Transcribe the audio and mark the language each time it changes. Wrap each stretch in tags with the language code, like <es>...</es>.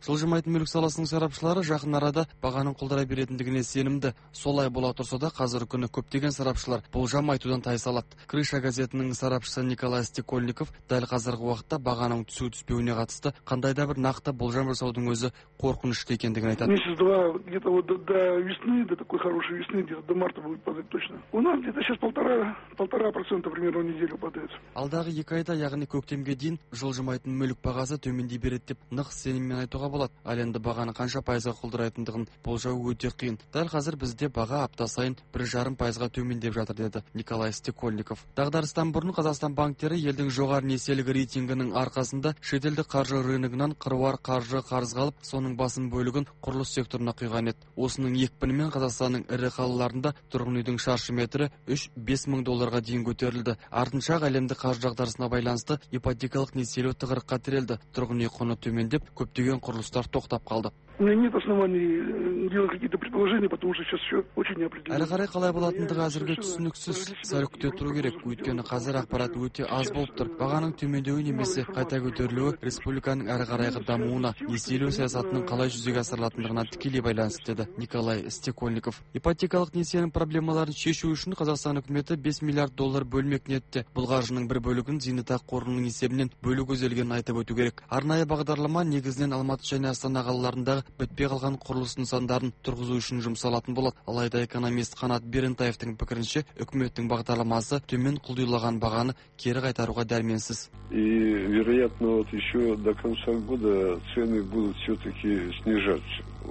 <kk>Жылжымайтын мүлік саласының сарапшылары жақын арада бағаның құлдырай беретін дегенге сенімді. Солай бола тұрса да қазір күні көптеген сарапшылар болжам айтудан тайсалады. Крыша газетінің сарапшысы Николай Стекольников дәл қазіргі уақытта бағаның түсу түспеуіне қатысты қандай да бір нақты болжам жасаудың өзі қорқынышты екендігін айтады.</kk> <ru>Месяц-два, где-то вот до весны, до такой хорошей весны, где-то до марта будет падать точно. У нас где-то сейчас 1.5% примерно в неделю падает.</ru> <kk>Алдағы 2 айда, яғни көктемге дейін жылжымайтын мүлік бағасы төмендей береді деп нық сеніммен айтуға болады. Ал енді бағаны қанша пайызға құлдырайтындығын болжау өте қиын. Дәл қазір бізде баға апта сайын 1.5% төмендеп жатыр, деді Николай Стекольников. Дағдарыстан бұрын Қазақстан банктері елдің жоғары несиелік рейтингінің арқасында шетелдік қаржы рыногынан қыруар қаржы қарызға алып, соның басым бөлігін құрылыс секторына құйған еді. Осының екпінімен Қазақстанның ірі қалаларында тұрғын үйдің шаршы метрі 3-5 мың долларға дейін көтерілді. Артынша әлемдік қаржы дағдарысына байланысты ипотекалық несиелеу тығырыққа тірелді. Тұрғын үй құны төмендеп, көптеген құрылыстар тоқтап қалды.</kk> <ru>У меня нет оснований делать какие-то предположения, потому что сейчас все очень неопределенно.</ru> <kk>Әрі қарай қалай болатындығы әзірге түсініксіз. Сәл күте тұру керек, өйткені қазір ақпарат өте аз болып тұр. Бағаның төмендеуі немесе қайта көтерілуі республиканың әрі қарайғы дамуына, несиелеу саясатының қалай жүзеге асырылатындығына тікелей байланысты, деді Николай Стекольников. Ипотекалық несиенің проблемаларын шешу үшін Қазақстан үкіметі 5 миллиард доллар бөлмек ниетте. Бұл қаржының бір бөлігін зейнетақы қорының есебінен бөлу көзделгенін айтып өту керек. Арнайы бағдарлама негізінен Алматы және Астана қалаларында бітпей қалған құрылыс нысандарын тұрғызу үшін. үшін жұмсалатын болады. Алайда экономист Қанат Берентаевтың пікірінше, үкіметтің бағдарламасы төмен құлдилаған бағаны кері қайтаруға дәрменсіз.</kk> <ru>И вероятно вот еще до конца года цены будут все-таки снижаться.</ru>